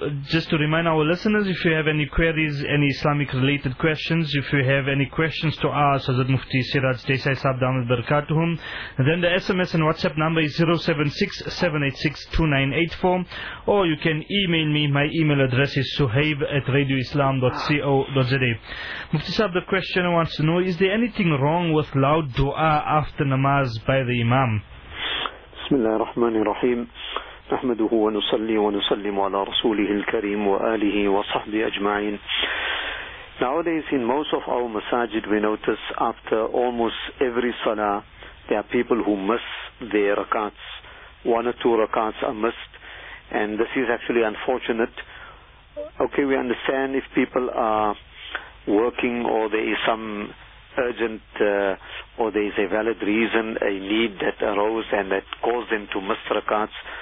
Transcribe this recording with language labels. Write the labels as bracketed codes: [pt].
[en] Just to remind our listeners, if you have any queries, any Islamic related questions, if you have any questions to ask Hazrat Mufti Siraj Desai Sahab Damat Barakatuhum, then the SMS and WhatsApp number is 076-786-2984, or you can email me. My email address is suhaib@radioislam.co.za. Mufti Sahab, the question wants to know, is there anything wrong with loud dua after namaz by the imam? [ar] Bismillah ar-Rahman ar-Rahim. نحمده ونصلي ونسلم على رسوله الكريم وآله وصحبه أجمعين. [en] Nowadays in most of our masajid we notice after almost every salah there are people who miss their rakats. One or two rakats are missed, and this is actually unfortunate. Okay, we understand if people are working or there is some urgent or there is a valid reason, a need that arose and that caused them to miss rakats.